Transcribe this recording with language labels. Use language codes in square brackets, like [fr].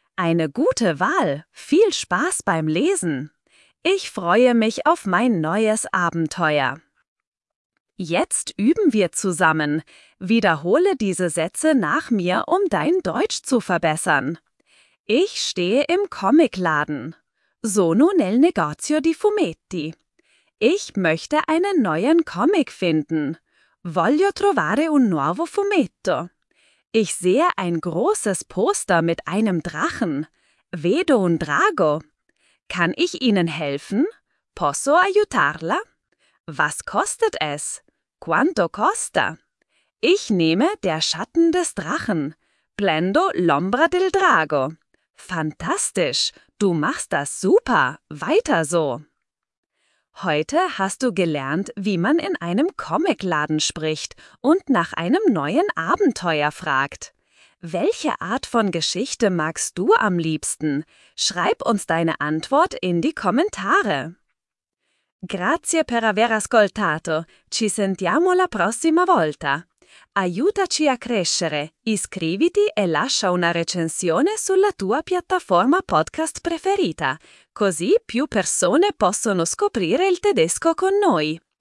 [de] Eine gute Wahl. Viel Spaß beim Lesen. Ich freue mich auf mein neues Abenteuer. Jetzt üben wir zusammen. Wiederhole diese Sätze nach mir, um dein Deutsch zu verbessern. Ich stehe im Comicladen. [it] Sono nel negozio di fumetti. [de] Ich möchte einen neuen Comic finden. [it] Voglio trovare un nuovo fumetto. [de] Ich sehe ein großes Poster mit einem Drachen. [it] Vedo un drago. [de] Kann ich Ihnen helfen? [it] Posso aiutarla? [de] Was kostet es? [it] Quanto costa? [de] Ich nehme Der Schatten des Drachen. [it] Prendo l'ombra del drago. [de] Fantastisch! Du machst das super! Weiter so! Heute hast du gelernt, wie man in einem Comicladen spricht und nach einem neuen Abenteuer fragt. Welche Art von Geschichte magst du am liebsten? Schreib uns deine Antwort in die Kommentare. [it] Grazie per aver ascoltato. Ci sentiamo la prossima volta. Aiutaci a crescere. Iscriviti e lascia una recensione sulla tua piattaforma podcast preferita, così più persone possono scoprire il tedesco con noi.